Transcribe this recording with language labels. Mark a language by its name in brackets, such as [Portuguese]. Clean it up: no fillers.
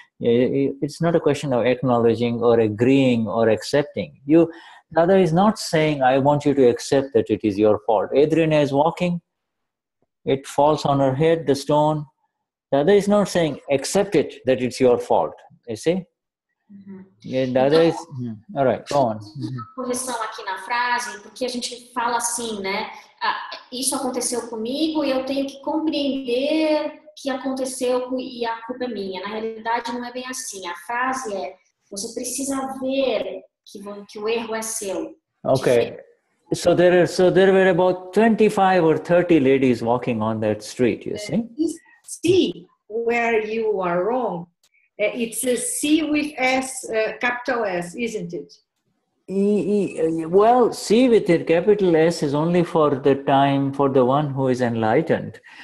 [English] It's not a question of acknowledging or agreeing or accepting. Dada is not saying, I want you to accept that it is your fault. Adriana is walking, it falls on her head, the stone. Dada is not saying, accept it, that it's your fault, you see. Uhum. Yeah, that [Portuguese] então, [English] is... All right, go on. [Portuguese] Correção aqui na frase, porque a gente fala assim, né? Ah, isso aconteceu comigo e eu tenho que compreender que aconteceu e a culpa é minha. Na realidade, não é bem assim. A frase é: você precisa ver que o erro é seu. [English] Okay. So there were about 25 or 30 ladies walking on that street, you see? See where you are wrong. It's a C with S, capital S, isn't it? Well, C with a capital S is only for the time, for the one who is enlightened.